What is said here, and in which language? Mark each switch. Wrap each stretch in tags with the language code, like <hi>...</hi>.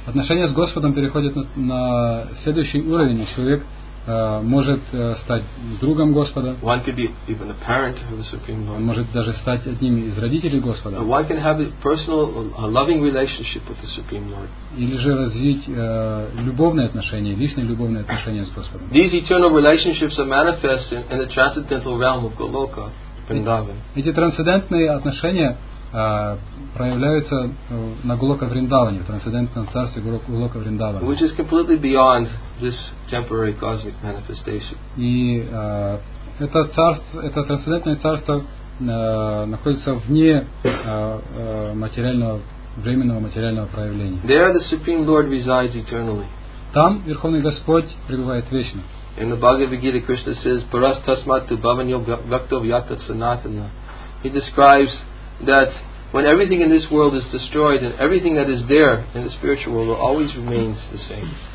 <ru>Отношения с Господом переходят на следующий уровень. Человек может стать другом Господа.</ru> <en>One can be even a parent of the Supreme Lord.</en> <ru>Он может даже стать одним из родителей Господа.</ru> <en>One can have a personal, a loving relationship with the Supreme Lord.</en> <ru>Или же развить любовные отношения, личные любовные отношения с Господом.</ru> <en>These eternal relationships are manifest in the transcendental realm of Goloka, Vrindavan.</en> <ru>Эти трансцендентные отношения проявляются на Голока Вриндаване, в трансцендентном царстве Голока Вриндавана.</ru> <en>Which is completely beyond this temporary cosmic manifestation.</en> <ru>И это царство, это трансцендентное царство находится вне материального, временного материального проявления.</ru> <en>There the Supreme Lord resides eternally.</en> <ru>Там Верховный Господь пребывает вечно.</ru> <en>In the Bhagavad Gita, Krishna says,</en> <sa>"Paras tasmat tu bhavanyo vaktov yata sanatana."</sa> <en>He describes that when everything in this world is destroyed and everything that is there in the spiritual world always remains the same.</en>